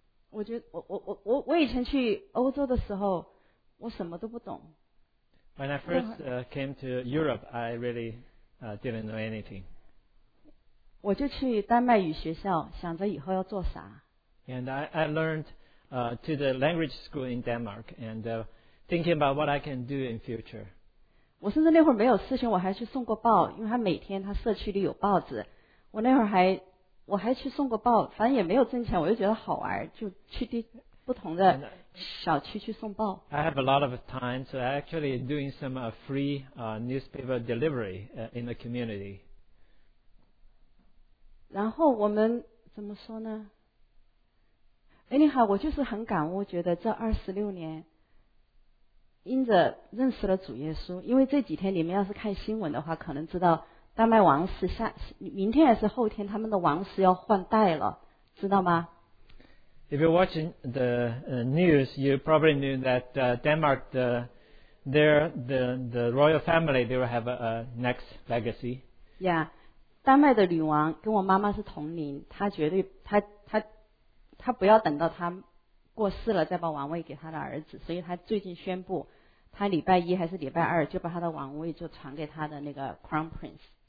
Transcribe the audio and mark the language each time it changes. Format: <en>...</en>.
<zh>我以前去欧洲的时候，我什么都不懂。</zh> <en>When I first came to Europe, I really didn't know anything.</en> <zh>我就去丹麦语学校，想着以后要做啥。</zh> <en>And I learned to the language school in Denmark, and thinking about what I can do in future.</en> <zh>我甚至那会儿没有事情，我还去送过报，因为他每天他社区里有报纸，我还去送过报，反正也没有挣钱，我就觉得好玩，就去地不同的小区去送报。</zh> <en>I have a lot of time, so I actually doing some free newspaper delivery in the community.</en> <zh>然后我们怎么说呢？哎，你好，我就是很感悟，觉得这26年，因着认识了主耶稣，因为这几天你们要是看新闻的话，可能知道。丹麦王室下明天还是后天他们的王室要换代了，知道吗？</zh> <en>If you're watching the news, you probably knew that Denmark, the royal family, they will have a next legacy.</en> <zh>Yeah, 丹麦的女王跟我妈妈是同龄，她绝对她不要等到她过世了再把王位给她的儿子，所以她最近宣布，她礼拜一还是礼拜二就把她的王位就传给她的那个 Crown Prince。</zh>